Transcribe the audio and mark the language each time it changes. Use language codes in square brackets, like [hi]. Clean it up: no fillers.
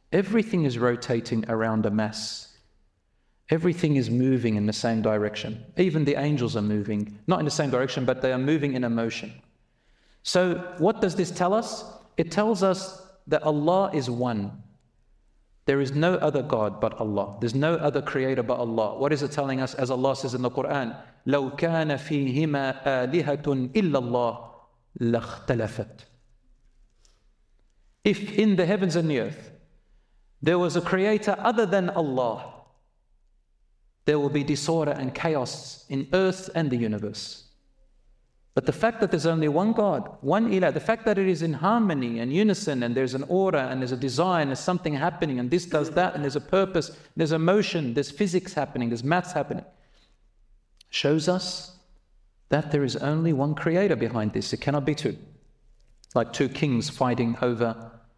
[en] Everything is rotating around a mass. Everything is moving in the same direction. Even the angels are moving, not in the same direction, but they are moving in a motion. So what does this tell us? It tells us that Allah is one. There is no other God but Allah. There's no other creator but Allah. What is it telling us? [ar] As Allah says in the Quran, لَوْ كَانَ فِيهِمَا آلِهَةٌ إِلَّا اللَّهِ لَاخْتَلَفَتْ. [en] If in the heavens and the earth, there was a creator other than Allah, there will be disorder and chaos in earth and the universe. But the fact that there's only one God, one ilah, the fact that it is in harmony and unison and there's an order and there's a design, there's something happening and this does that and there's a purpose, there's a motion, there's physics happening, there's maths happening, shows us that there is only one creator behind this. It cannot be two. Like two kings fighting over